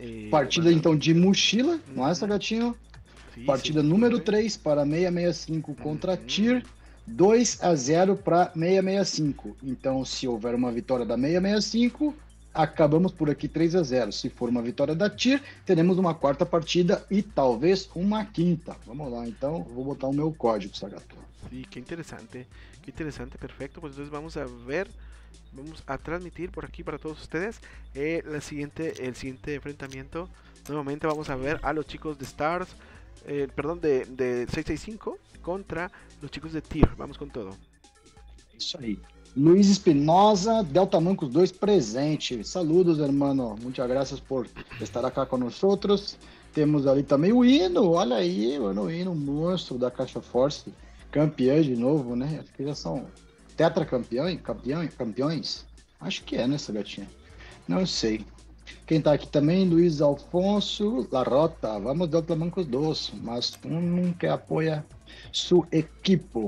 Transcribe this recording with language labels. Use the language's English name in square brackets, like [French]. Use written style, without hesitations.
[Portuguese] Partida então de mochila, não é, Sagatinho? [Spanish] Sí, partida sí, número 3 para 665 contra TIR. 2-0 para 665. [Portuguese] Então, se houver uma vitória da 665, acabamos por aqui 3-0. Se for uma vitória da TIR, teremos uma quarta partida e talvez uma quinta. Vamos lá, então, vou botar o meu código, Sagatinho. Sim, sí, que interessante. Que interessante, perfeito. Pois então, [Spanish] vamos a ver. Vamos a transmitir por aqui para todos ustedes el siguiente enfrentamiento. Nuevamente vamos a ver a los chicos de Stars, perdón, de 665 contra los chicos de TIR. Vamos con todo. [Portuguese] Isso aí. Luiz Espinosa, Delta Mancos 2 presente. [Spanish] Saludos, hermano. Muchas gracias por estar acá con nosotros. [Portuguese] Temos ali também o Hino. Olha aí, mano, o Hino, monstro da Caixa Force. Campeão de novo, né? Acho que já são tetracampeão, campeões? Acho que é, né, Sagatinho? Não sei. Quem tá aqui também, Luiz Alfonso Larrota. Vamos, Delta Mancos 2. Mas nunca apoia sua equipe.